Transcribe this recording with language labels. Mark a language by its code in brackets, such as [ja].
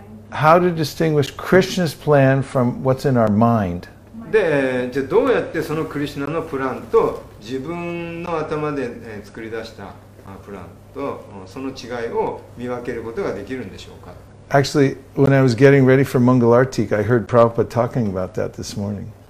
[en] How to distinguish Krishna's plan from what's in our mind? [ja] で、じゃあどうやってそのクリシュナのプランと自分の頭で作り出したプランとその違いを見分けることができるんでしょうか。 [en] Actually, when I was getting ready for Mangalartik, I heard Prabhupada talking about that this morning.